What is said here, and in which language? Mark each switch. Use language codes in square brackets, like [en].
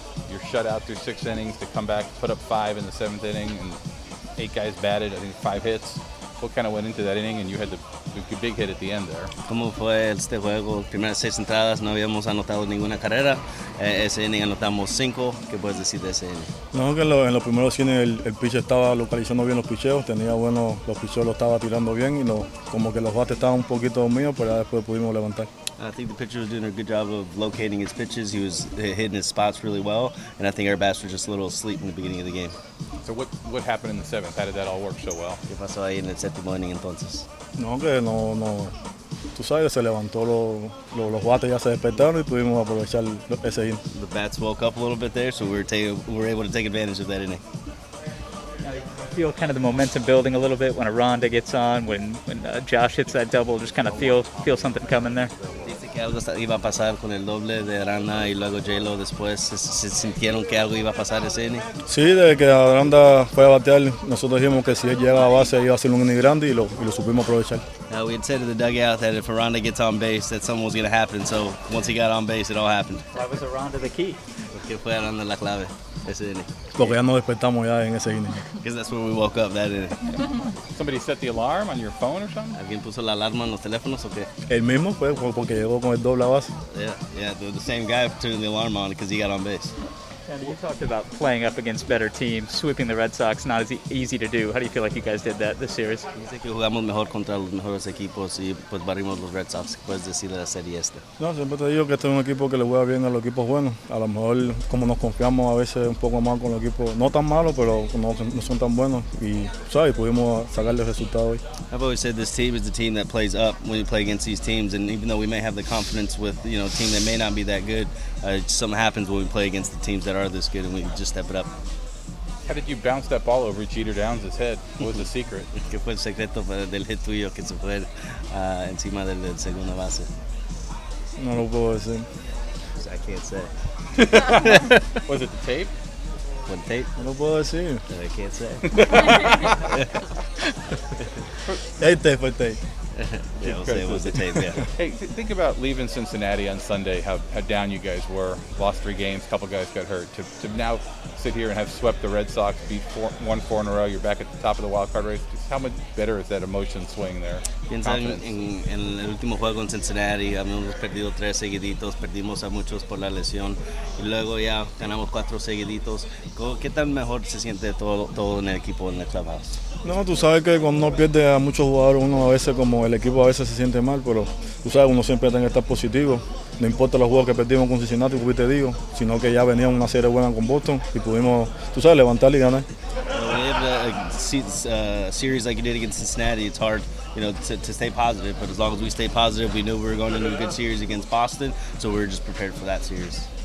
[en] You're shut out through six innings to come back, put up five in the seventh inning, and eight guys batted, I think five hits. What kind of went into that inning, and you had the big hit at the end there? [es] ¿Cómo fue este juego? Primeras seis entradas, no habíamos anotado ninguna carrera. Ese inning anotamos cinco. ¿Qué puedes decir de ese inning? No, que en los primeros innings el pitcher estaba localizando bien los picheos, tenía bueno, los picheos lo estaba tirando bien, y como que los bates estaban un poquito míos, pero ya después pudimos levantar. [en] I think the pitcher was doing a good job of locating his pitches. He was hitting his spots really well, and I think our bats were just a little asleep in the beginning of the game. So what happened in the seventh? How did that all work so well? [es] ¿Qué pasó ahí en el séptimo inning entonces? No, que no. Tú sabes, se levantó los bates ya se despertaron y pudimos aprovechar ese inning. [en] The bats woke up a little bit there, so we were able to take advantage of that inning. Feel kind of the momentum building a little bit when Aranda gets on, when Josh hits that double, just kind of feel something coming there. [es] Dice que algo iba a pasar con el doble de Aranda y luego J-Lo después. ¿Se sintieron que algo iba a pasar ese inning? Sí, desde que Aranda fue a batear, nosotros dijimos que si él llega a base iba a ser un inning grande y lo supimos aprovechar. [en] We had said to the dugout that if Aranda gets on base, that something was going to happen. So once he got on base, it all happened. Why was Aranda the key? [es] Porque fue Aranda la clave ese inning. Porque ya nos despertamos ya en ese inning. [en] Because that's where we woke up that inning. Somebody set the alarm on your phone or something? [es] ¿Alguien puso la alarma en los teléfonos o qué? El mismo fue porque llegó con el doble a base. [en] Yeah, the same guy turned the alarm on because he got on base. Andy, you talked about playing up against better teams, sweeping the Red Sox, not as easy to do. How do you feel like you guys did that this series? [es] Dice que jugamos mejor contra los mejores equipos y pues barrimos los Red Sox. ¿Puedes decir de la serie esta? No, siempre te digo que este es un equipo que le juega bien a los equipos buenos. A lo mejor, como nos confiamos a veces un poco más con los equipos, no tan malos, pero no son tan buenos. Y, ¿sabes? Pudimos sacarle el resultado hoy. [en] I've always said this team is the team that plays up when you play against these teams. And even though we may have the confidence with, you know, a team that may not be that good, something happens when we play against the teams that are this good, and we just step it up. How did you bounce that ball over Jeter Downs' head? What was the secret? [es] ¿Qué fue el secreto del hit tuyo que se fue encima del segunda base? No lo puedo decir. [en] I can't say. Was it the tape? What tape? [es] No lo puedo decir. [en] But I can't say. [es] Este fue el tape. [en] Yeah, we'll say it was the tape, yeah. Hey, think about leaving Cincinnati on Sunday, how down you guys were, lost three games, a couple guys got hurt, to now sit here and have swept the Red Sox, beat four in a row, you're back at the top of the wild card race. Just how much better is that emotion swing there? [es] Piensa en el último juego en Cincinnati, habíamos perdido tres seguiditos, perdimos a muchos por la lesión, y luego ya ganamos cuatro seguiditos. ¿Qué tan mejor se siente todo en el equipo, en el clubhouse? No, tú sabes que cuando uno pierde a muchos jugadores, uno a veces como el equipo a veces se siente mal, pero tú sabes, uno siempre tiene que estar positivo. No importa los juegos que perdimos con Cincinnati, como te digo, sino que ya venía una serie buena con Boston y pudimos, tú sabes, levantar y ganar. [en] When you have a series like you did against Cincinnati, it's hard, you know, to stay positive. But as long as we stay positive, we knew we were going into a good series against Boston, so we were just prepared for that series.